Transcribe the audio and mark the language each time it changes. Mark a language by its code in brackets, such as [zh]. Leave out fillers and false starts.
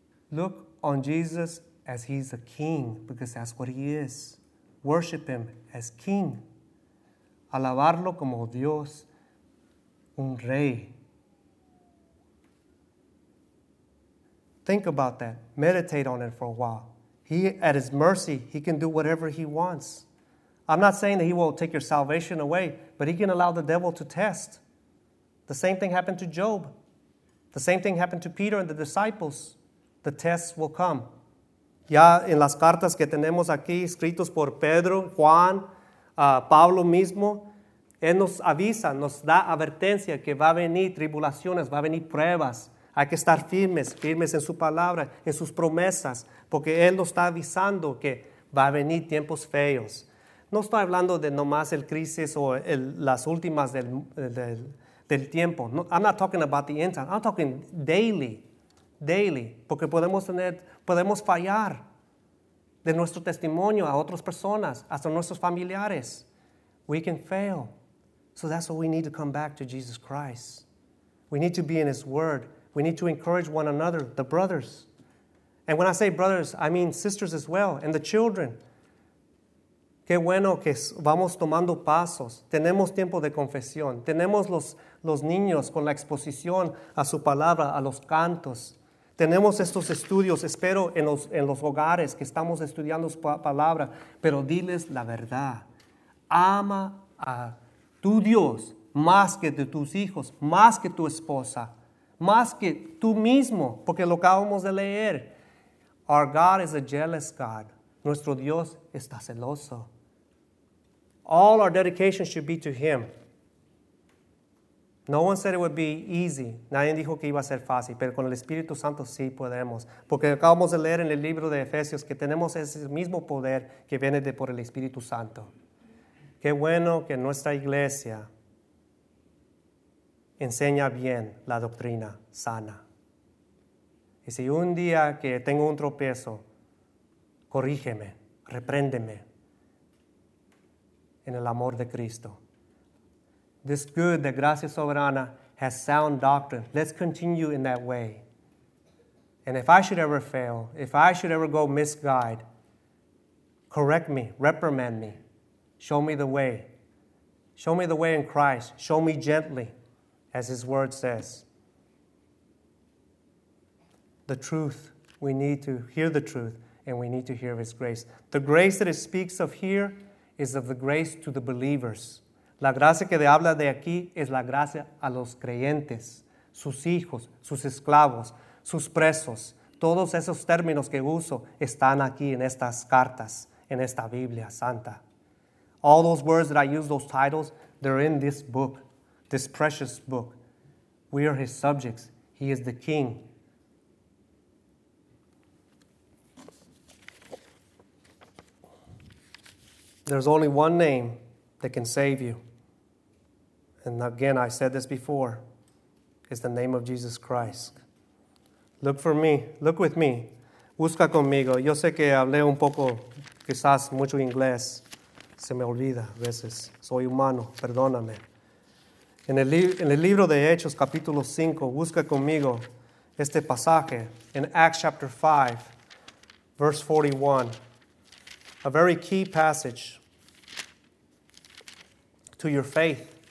[en] Look on Jesus as he's a king, because that's what he is. Worship him as king. [es] Alabarlo como Dios, un rey. [en] Think about that. Meditate on it for a while. He, at his mercy, he can do whatever he wants. I'm not saying that he will take your salvation away, but he can allow the devil to test. The same thing happened to Job. The same thing happened to Peter and the disciples. The tests will come. [es] Ya en las cartas que tenemos aquí, escritos por Pedro, Juan, Pablo mismo, él nos avisa, nos da advertencia que va a venir tribulaciones, va a venir pruebas. Hay que estar firmes, firmes en su palabra, en sus promesas, porque él nos está avisando que va a venir tiempos feos. No estoy hablando de nomás el crisis o el, las últimas del tiempo. [en] No, I'm not talking about the end time. I'm talking daily. [es] Daily, porque podemos fallar de nuestro testimonio a otras personas, hasta nuestros familiares. [en] We can fail. So that's why we need to come back to Jesus Christ. We need to be in his word. We need to encourage one another, the brothers. And when I say brothers, I mean sisters as well, and the children. [es] Qué bueno que vamos tomando pasos. Tenemos tiempo de confesión. Tenemos los niños con la exposición a su palabra, a los cantos. Tenemos estos estudios, espero, en los hogares que estamos estudiando su palabra. Pero diles la verdad. Ama a tu Dios más que de tus hijos, más que tu esposa, más que tú mismo, porque lo acabamos de leer. [en] Our God is a jealous God. [es] Nuestro Dios está celoso. [en] All our dedication should be to him. No one said it would be easy. [es] Nadie dijo que iba a ser fácil, pero con el Espíritu Santo sí podemos. Porque acabamos de leer en el libro de Efesios que tenemos ese mismo poder que viene de por el Espíritu Santo. Qué bueno que nuestra iglesia enseña bien la doctrina sana. Y si un día que tengo un tropiezo, corrígeme, repréndeme en el amor de Cristo. [en] This good, the gracia soberana, has sound doctrine. Let's continue in that way. And if I should ever fail, if I should ever go misguide, correct me, reprimand me. Show me the way. Show me the way in Christ. Show me gently, as his word says. The truth, we need to hear the truth, and we need to hear his grace. The grace that it speaks of here is of the grace to the believers. [es] La gracia que habla de aquí es la gracia a los creyentes, sus hijos, sus esclavos, sus presos. Todos esos términos que uso están aquí en estas cartas, en esta Biblia Santa. [en] All those words that I use, those titles, they're in this book, this precious book. We are his subjects. He is the king. There's only one name that can save you. And again, I said this before, it's the name of Jesus Christ. Look for me. Look with me. [es] Busca conmigo. Yo sé que hablé un poco, quizás mucho inglés. Se me olvida a veces. Soy humano. Perdóname. En el libro de Hechos, capítulo 5, busca conmigo este pasaje. [en] In Acts chapter 5, verse 41. A very key passage to your faith.